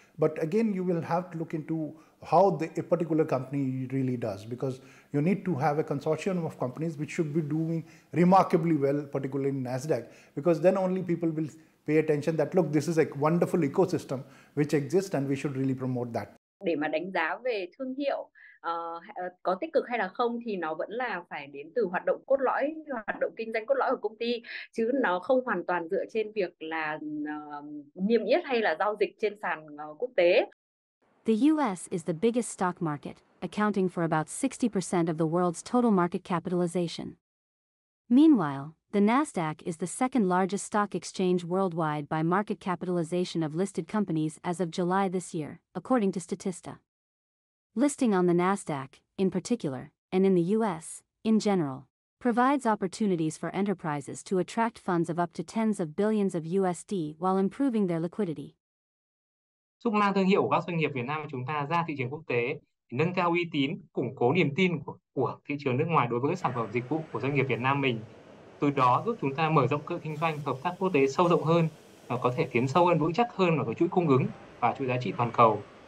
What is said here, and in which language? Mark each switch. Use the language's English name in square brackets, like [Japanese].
[English] But again, you will have to look into how a particular company really does, because you need to have a consortium of companies which should be doing remarkably well, particularly in Nasdaq, because then only people will pay attention that look, this is a wonderful ecosystem which exists and we should really promote that. [Vietnamese] Để mà đánh giá về thương hiệu có tích cực hay là không thì nó vẫn là phải đến từ hoạt động cốt lõi, hoạt động kinh doanh cốt lõi của công ty, chứ nó không hoàn toàn dựa trên việc là niêm yết hay là giao dịch trên sàn quốc tế. [English] The US is the biggest stock market, accounting for about 60% of the world's total market capitalization. Meanwhile, the Nasdaq is the second largest stock exchange worldwide by market capitalization of listed companies as of July this year, according to Statista. Listing on the Nasdaq, in particular, and in the US, in general, provides opportunities for enterprises to attract funds of up to tens of billions of USD while improving their liquidity. [Vietnamese] Giúp mang thương hiệu của các doanh nghiệp Việt Nam của chúng ta ra thị trường quốc tế, nâng cao uy tín, củng cố niềm tin của thị trường nước ngoài đối với các sản phẩm dịch vụ của doanh nghiệp Việt Nam mình. Từ đó giúp chúng ta mở rộng cơ kinh doanh, hợp tác quốc tế sâu rộng hơn và có thể tiến sâu hơn, vững chắc hơn vào chuỗi cung ứng và chuỗi giá trị toàn cầu.